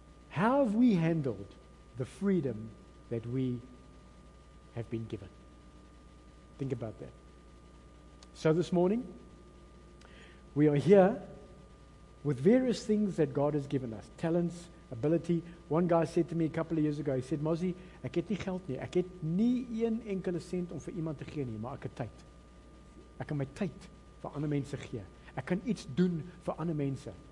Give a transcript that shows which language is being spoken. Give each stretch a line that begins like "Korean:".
English: How have we handled the freedom that we have been given? Think about that. So this morning, we are here with various things that God has given us. Talents, ability. One guy said to me a couple of years ago, he said, Mozzie,
Afrikaans: ek het nie geld nie. Ek het nie een enkele cent om vir iemand te gee nie, maar ek het tyd. Ek kan my tyd vir ander mense gee. Ek kan iets doen vir ander mense.